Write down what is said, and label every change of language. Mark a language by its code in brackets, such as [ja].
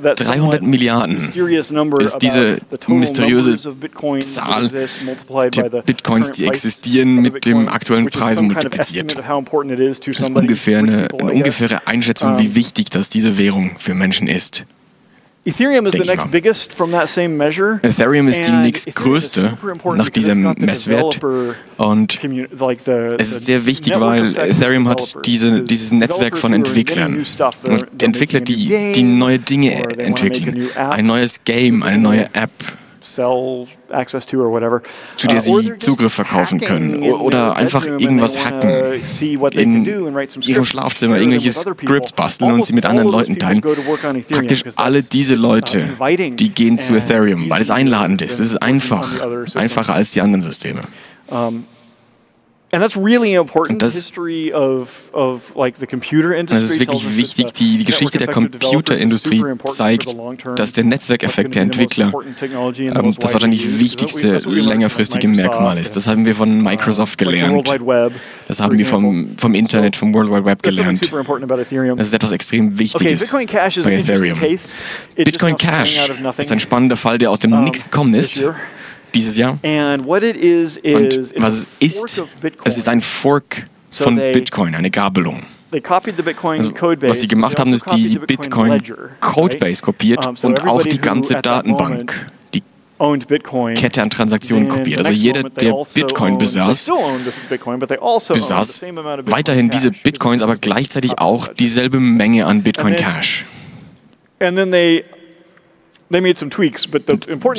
[de] 300 Milliarden ist diese mysteriöse Zahl der Bitcoins, die existieren, mit dem aktuellen Preis multipliziert. Das ist ungefähr eine ungefähre Einschätzung, wie wichtig das diese Währung für Menschen ist. [en] Ethereum is the next biggest from that same measure. [de] Ethereum ist die nächstgrößte nach diesem Messwert. Und es ist sehr wichtig, weil Ethereum hat dieses Netzwerk von Entwicklern. Und Entwickler, die neue Dinge entwickeln. Ein neues Game, eine neue App, zu der sie Zugriff verkaufen können. Oder einfach irgendwas hacken. In ihrem Schlafzimmer irgendwelche Scripts basteln und sie mit anderen Leuten teilen. Praktisch alle diese Leute, die gehen zu Ethereum, weil es einladend ist. Es ist einfach. Einfacher als die anderen Systeme. [en] And that's really important history of like the computer industry. [de] Das ist wirklich wichtig, die Geschichte der Computerindustrie zeigt, dass der Netzwerkeffekt der Entwickler das wahrscheinlich wichtigste längerfristige Merkmal ist. Das haben wir von Microsoft gelernt. Das haben wir vom Internet, vom World Wide Web gelernt. Das ist etwas extrem Wichtiges bei Ethereum. Bitcoin Cash ist ein spannender Fall, der aus dem Nichts gekommen ist. Dieses Jahr. [en] And what it is, [de] und was es ist, es ist ein Fork von Bitcoin, eine Gabelung. Also, was sie gemacht haben, ist die Bitcoin-Codebase kopiert und auch die ganze Datenbank, die Kette an Transaktionen kopiert. Also jeder, der Bitcoin besaß, besaß weiterhin diese Bitcoins, aber gleichzeitig auch dieselbe Menge an Bitcoin Cash. [en] And then they made some tweaks, but the important